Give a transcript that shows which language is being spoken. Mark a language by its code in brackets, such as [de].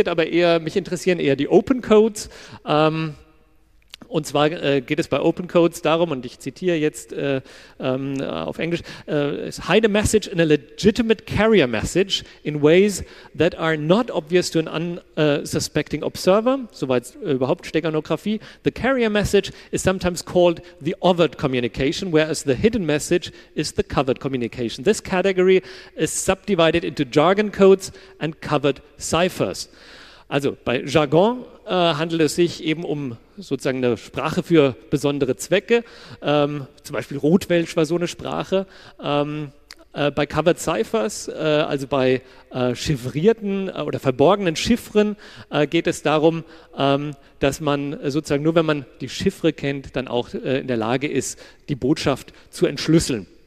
[de] Mich interessieren eher die Open Codes. Und zwar geht es bei Open Codes darum, und ich zitiere jetzt auf Englisch, [en] hide a message in a legitimate carrier message in ways that are not obvious to an unsuspecting observer, [de] soweit überhaupt Steganographie. [en] The carrier message is sometimes called the overt communication, whereas the hidden message is the covered communication. This category is subdivided into jargon codes and covered ciphers. [de] Also bei Jargon handelt es sich eben um sozusagen eine Sprache für besondere Zwecke, zum Beispiel Rotwelsch war so eine Sprache. Bei Covered Ciphers, also bei chiffrierten oder verborgenen Chiffren, geht es darum, dass man sozusagen nur, wenn man die Chiffre kennt, dann auch in der Lage ist, die Botschaft zu entschlüsseln.